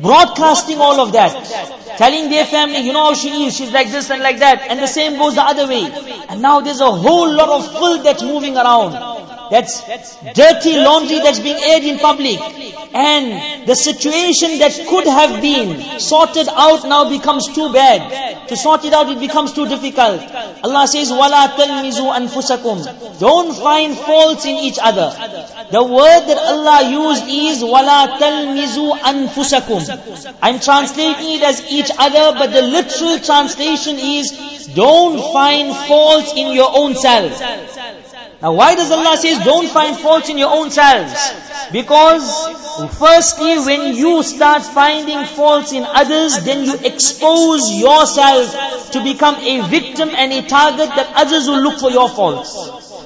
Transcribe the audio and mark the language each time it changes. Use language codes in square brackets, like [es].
[en] broadcasting all of that, telling their family, you know how she is, she's like this and like that, and the same goes the other way. And now there's a whole lot of filth that's moving around. That's dirty laundry that's being aired in public. And the situation that could have been sorted out now becomes too bad. To sort it out, it becomes too difficult. Allah says, [ar] وَلَا تَلْمِزُوا أَنفُسَكُمْ. [en] Don't find faults in each other. The word that Allah used is, [ar] وَلَا تَلْمِزُوا أَنفُسَكُمْ. [en] I'm translating it as each other, but the literal translation is, don't find faults in your own self. Now why does Allah say, don't find fault in your own selves? Because firstly, when you start finding faults in others, then you expose yourself to become a victim and a target that others will look for your faults.